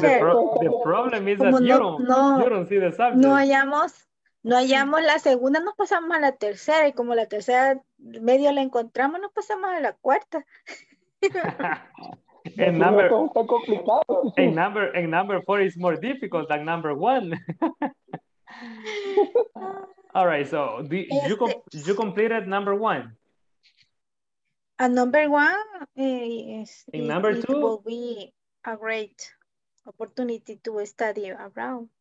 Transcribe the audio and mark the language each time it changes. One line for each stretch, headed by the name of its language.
English: The problem is that you don't see the subject.
Spanish: No hallamos la segunda, nos pasamos a la tercera, y como la tercera medio la encontramos, nos pasamos a la cuarta. En number, está complicado.
English: En number four is more difficult than number one. All right, so you completed number one. And number one is... In number two? It will be a great opportunity to study abroad.